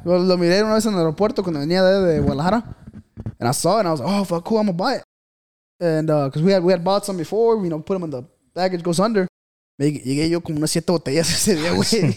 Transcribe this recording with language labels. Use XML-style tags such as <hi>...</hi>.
<es>Lo miré una vez en el aeropuerto cuando venía de Guadalajara.</es> <en>And I saw it and I was like, oh, fuck, cool, I'm going to buy it. And because we had bought some before, you know, put them in the baggage goes under.</en> <es>Llegué yo como unas 7 botellas ese día, güey.</es>